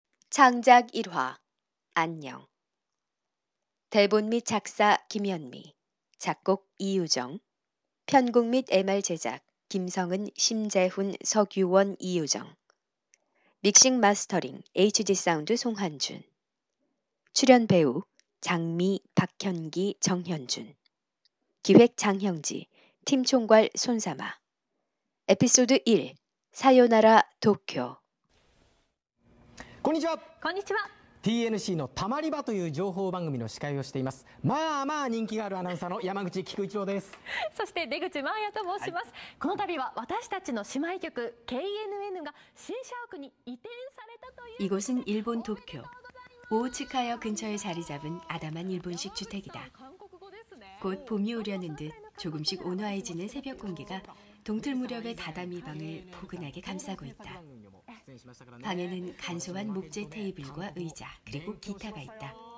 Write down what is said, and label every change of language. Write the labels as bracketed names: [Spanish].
[Korean] 창작 1화 안녕. 대본 및 작사 김현미, 작곡 이유정, 편곡 및 MR 제작 김성은, 심재훈, 석유원, 이유정, 믹싱 마스터링 HD 사운드 송한준, 출연 배우 장미, 박현기, 정현준, 기획 장형지, 팀 총괄 손사마. 에피소드 1 사요나라 도쿄. [Japanese] こんにちは。こんにちは。 TNC のたまり場という情報番組の司会をしています。まあまあ人気があるアナウンサーの山口菊一郎です。そして出口真彩と申します。この度は私たちの姉妹局KNNが新社屋に移転されたという。 [Korean] 이곳은 일본 도쿄 오우치카역 근처에 자리 잡은 아담한 일본식 주택이다. 곧 봄이 오려는 듯 조금씩 온화해지는 새벽 공기가 동틀 무렵의 다다미 방을 포근하게 감싸고 있다. 방에는 간소한 목재 테이블과 의자 그리고 기타가 있다.